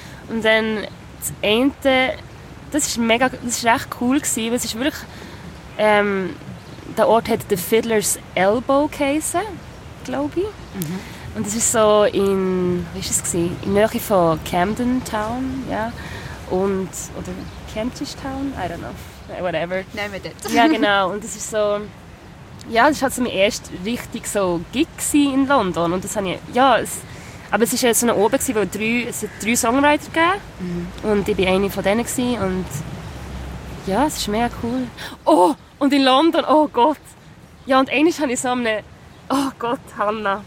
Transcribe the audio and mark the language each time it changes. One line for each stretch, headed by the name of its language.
German: Und dann das eine, das war recht cool gewesen, weil es ist wirklich, der Ort hat The Fiddler's Elbow geheißen, glaube ich. Mhm. Und das war so in, wie war es? In der Nähe von Camden Town, ja. Und, oder
English: Kentish Town, I don't know, whatever.
German: Nehmen wir das. Ja, genau. Und das war so, ja, das war halt so mein erster richtig so Gig in London. Und das habe ich, ja, es, aber es war so eine oben, weil es hat 3 Songwriter gegeben. Mhm. Und ich war eine von denen gewesen. Und ja, es ist mega cool. Oh, und in London, oh Gott. Ja, und einmal habe ich so eine, oh Gott, Hanna.